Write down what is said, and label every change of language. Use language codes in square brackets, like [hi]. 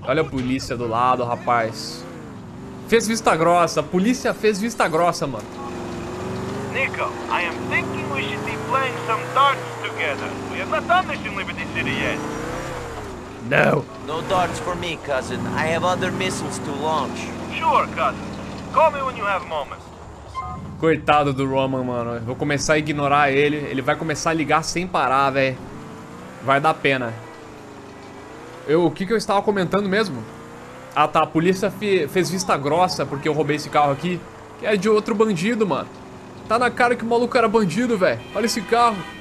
[pt] Olha a polícia do lado, rapaz. Fez vista grossa. A polícia fez vista grossa, mano. [en] Nico, I am thinking we should be playing some darts together. We have not done this in Liberty City yet. No. No darts for me, cousin. I have other missiles to launch. Sure, cousin. Call me when you have moments. [pt] Coitado do Roman, mano. Eu vou começar a ignorar ele. Ele vai começar a ligar sem parar, velho. Vai dar pena. O que eu estava comentando mesmo? Ah tá, a polícia fez vista grossa porque eu roubei esse carro aqui. Que é de outro bandido, mano. Tá na cara que o maluco era bandido, velho. Olha esse carro.